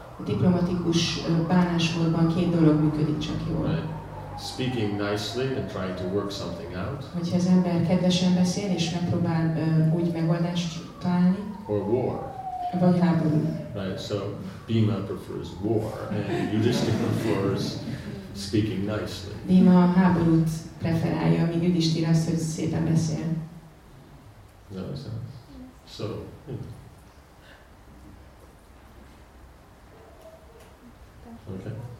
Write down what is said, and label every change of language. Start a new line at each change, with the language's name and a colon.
Hungarian: A diplomatikus bánásmódban két dolog működik csak jól.
English: Right? Speaking nicely and trying to work something out.
Hungarian: Hogyha az ember kedvesen beszél és megpróbál úgy megoldást találni.
English: Or war.
Hungarian: Vagy háború.
English: Right, so Bhima prefers war, and Yudhishthira prefers speaking nicely.
Hungarian: Bhima a háborút preferálja, míg Yudhishthira azt, hogy szépen beszél.
English: No, it's not. So, okay.